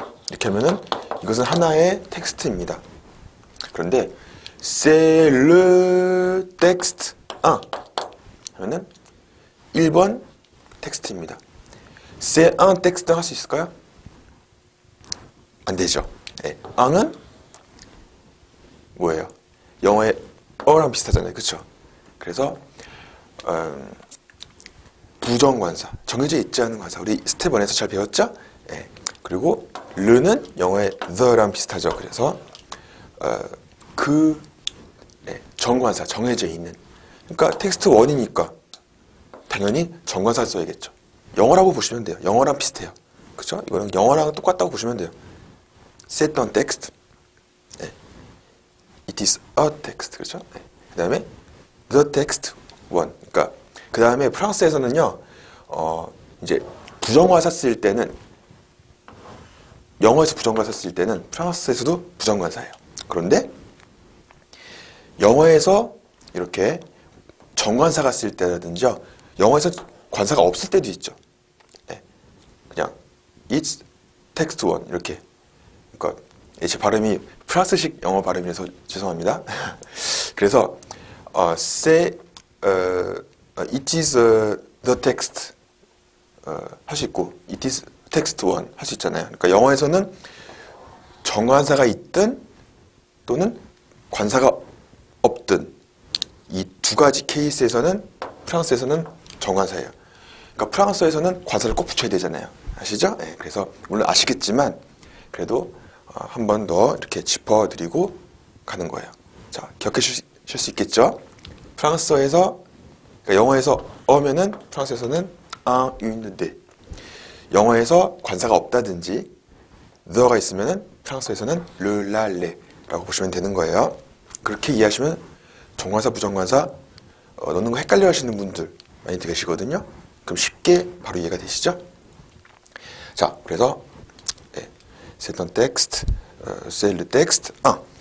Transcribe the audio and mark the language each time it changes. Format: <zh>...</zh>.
<ko>이렇게 하면은 이것은 하나의 텍스트입니다. 그런데</ko> <fr>c'est le texte 1</fr> <ko>하면은 1번 텍스트입니다.</ko> <fr>c'est un texte</fr> <ko>할수 있을까요? 안 되죠. 예, 앙은 뭐예요? 영어의 어랑 비슷하잖아요, 그렇죠? 그래서 부정관사, 정해져 있지 않은 관사, 우리 스텝 1에서 잘 배웠죠? 예, 그리고 르는 영어의 the랑 비슷하죠. 그래서 그 정관사, 정해져 있는. 그러니까 텍스트 1이니까 당연히 정관사 써야겠죠. 영어라고 보시면 돼요. 영어랑 비슷해요, 그렇죠? 이거는 영어랑 똑같다고 보시면 돼요.</ko> <fr>C'est un texte.</fr> <en>네. It is a text. 그렇죠? 네.</en> <ko>그 다음에</ko> <en>the text one.</en> <ko>그러니까 그 다음에 프랑스에서는요, 이제 부정관사 쓰일 때는 영어에서 부정관사 쓰일 때는 프랑스에서도 부정관사예요. 그런데 영어에서 이렇게 정관사가 쓰일 때라든지요, 영어에서 관사가 없을 때도 있죠.</ko> <en>it's text one 이렇게.</en> <ko>그니까 제 발음이 프랑스식 영어 발음이라서 죄송합니다. 그래서</ko> <en>it is the text</en> <ko>할수 있고</ko> <en>it is text one</en> <ko>할수 있잖아요. 그러니까 영어에서는 정관사가 있든 또는 관사가 없든 이두 가지 케이스에서는 프랑스에서는 정관사예요. 그러니까 프랑스에서는 관사를 꼭 붙여야 되잖아요. 아시죠? 네, 그래서 물론 아시겠지만 그래도 한번더 이렇게 짚어드리고 가는 거예요. 자, 기억하실 수 있겠죠? 프랑스어에서, 그러니까 영어에서 어면은 프랑스에서는 un, une, de. 영어에서 관사가 없다든지 the가 있으면은 프랑스에서는 le, la, le 라고 보시면 되는 거예요. 그렇게 이해하시면 정관사, 부정관사 넣는 거 헷갈려 하시는 분들 많이 계시거든요. 그럼 쉽게 바로 이해가 되시죠?</ko> <fr>자, 그래서 c'est un texte, c'est le texte 1.</fr>